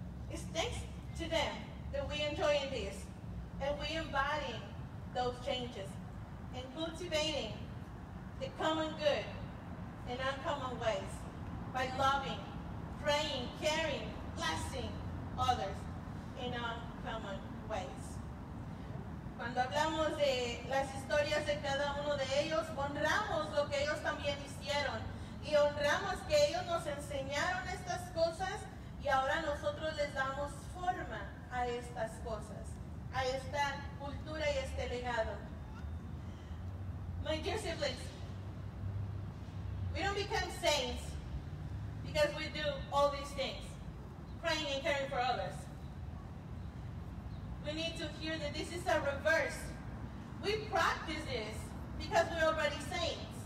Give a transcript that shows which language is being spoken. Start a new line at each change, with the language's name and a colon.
English: It's thanks to them that we are enjoying this. And we are embodying those changes and cultivating the common good in uncommon ways by loving, praying, caring, blessing others in uncommon ways.
Spanish: Cuando hablamos de las historias de cada uno de ellos, honramos lo que ellos también hicieron y honramos que ellos nos enseñaron estas cosas y ahora nosotros les damos forma a estas cosas, a esta cultura y este legado.
English: My dear siblings, we don't become saints because we do all these things, praying and caring for others. We need to hear that this is a reverse. We practice this because we're already saints.